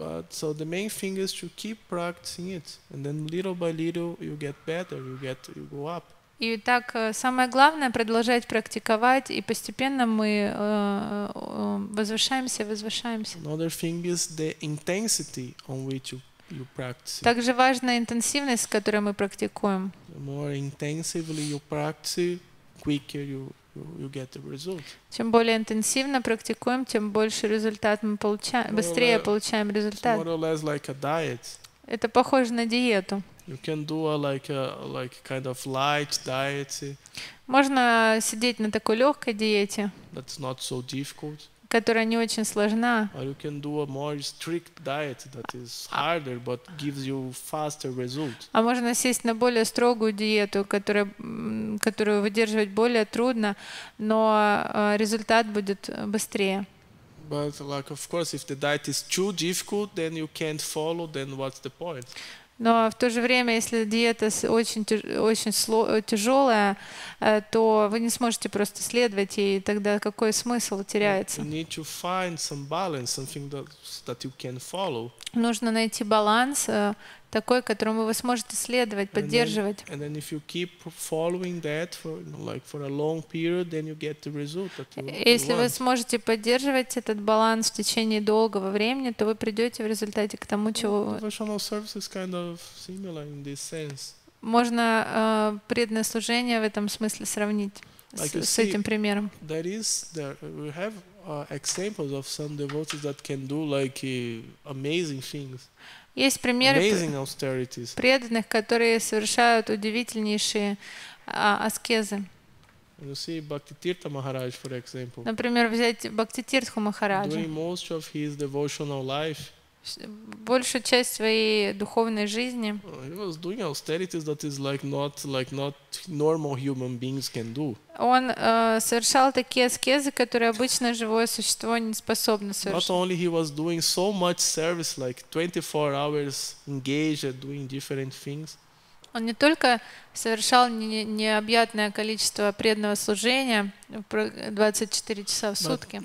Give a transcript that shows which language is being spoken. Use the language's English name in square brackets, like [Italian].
[English] So the main thing is to keep practicing it, and then little by little you get better, you go up. [Russian] И так самое главное продолжать практиковать, и постепенно мы возвышаемся. [English] Another thing is the intensity on which you practice. [Russian] Также важна интенсивность, с которой мы практикуем. [English] The more intensively you practice, quicker you get the result. [Russian] Чем более интенсивно практикуем, тем больше результат мы получаем, быстрее получаем результат. [English] More or less like a diet. [Russian] Это похоже на диету. [English] You can do a kind of light diet. [Russian] Можно сидеть на такой легкой диете. [English] That's not so difficult. [Russian] Которая не очень сложна. [English] Or you can do a more strict diet that is harder but gives you faster result. [Russian] А можно сесть на более строгую диету, которую выдерживать более трудно, но результат будет быстрее. [English] But like of course if the diet is too difficult then you can't follow, then what's the point? [Russian] Но в то же время, если диета очень тяжелая, то вы не сможете просто следовать ей, тогда какой смысл теряется? [English] You need to find some balance, something that you can follow. [Russian] Нужно найти баланс, такой, которому вы сможете следовать, поддерживать. [English] And then if you keep following that for, like, for a long period, then you get the result that you want. [Russian] Если вы сможете поддерживать этот баланс в течение долгого времени, то вы придете в результате к тому, чего... [English] Devotional service is kind of similar in this sense. [Russian] Можно преданное служение в этом смысле сравнить с этим примером. [English] There is, we have examples of some devotees that can do like amazing things. [Russian] Есть примеры преданных, которые совершают удивительнейшие аскезы. [English] You see, Bhaktitirtha Maharaj, for example. [Russian] Например, взять Бхактитирту Махараджа. [English] During most of his devotional life. [Russian] Большую часть своей духовной жизни. [English] He was doing austerities that is like not normal human beings can do. [Russian] Он совершал такие аскезы, которые обычное живое существо не способно совершить. [English] Not only he was doing so much service, like 24 hours engaged at doing different things. [Russian] Он не только совершал необъятное количество преданного служения 24 часа в сутки.